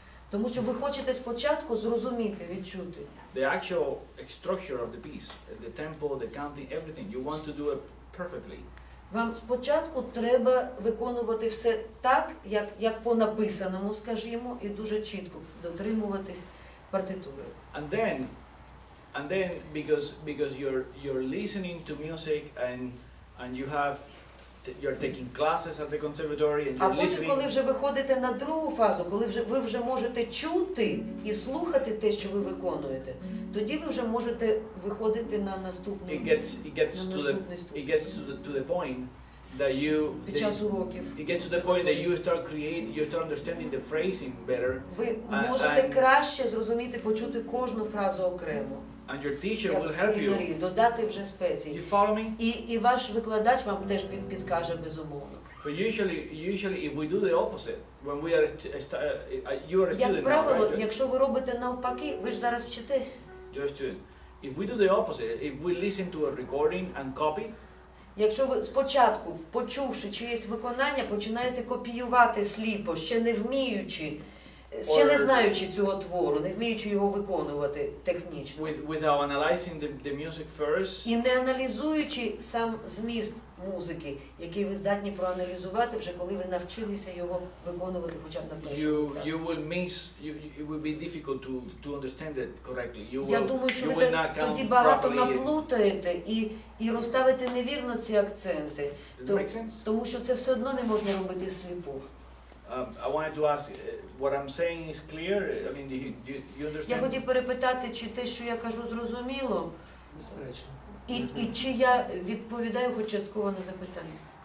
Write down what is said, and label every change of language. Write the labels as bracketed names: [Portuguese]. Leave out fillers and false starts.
[Ukrainian] Тому що ви хочете спочатку зрозуміти, відчути. [English] The actual structure of the piece, the tempo, the counting, everything. You want to do it perfectly. [Ukrainian] Вам спочатку треба виконувати все так, як по написаному, скажімо, і дуже чітко дотримуватись партитури. [English] And then because you're listening to music and you have you're taking classes at the conservatory and you're listening. [Ukrainian] А коли вже виходите на другу фазу, коли вже ви вже можете чути і слухати те, що ви виконуєте, тоді ви вже можете виходити на наступний ступінь. [English] It gets to the point. that you [Ukrainian] під час уроків. [English] You get to the point that you start creating, you start understanding the phrasing better. [Ukrainian] Ви можете краще зрозуміти, почути кожну фразу окремо. [English] And your teacher will help you. [Ukrainian] Додати вже спеції. [English] You follow me? [Ukrainian] І ваш викладач вам теж підкаже безумовно. [English] But usually if we do the opposite, when we are you are a student. [Ukrainian] Як правило, [English] right? [Ukrainian] Якщо ви робите навпаки, ви ж зараз вчитесь. [English] You're a student. If we do the opposite, if we listen to a recording and copy. [Ukrainian] Якщо ви спочатку, почувши чиєсь виконання, починаєте копіювати сліпо, ще не вміючи, ще не знаючи цього твору, не вміючи його виконувати технічно. [English] Without analyzing the music first. [Ukrainian] І не аналізуючи сам зміст музики, який ви здатні проаналізувати вже коли ви навчилися його виконувати хоча б на першому. [English] You will miss, it will be difficult to understand it correctly. You will, [Ukrainian] я думаю, що ви тоді багато наплутаєте і розставите невірно ці акценти. Тому що це все одно не можна робити сліпо. [English] I wanted to ask, what I'm saying is clear? I mean, do you understand? [Ukrainian] Я хотів перепитати, чи те, що я кажу, зрозуміло? Безперечно. І чи я відповідаю хоч частково на запитання?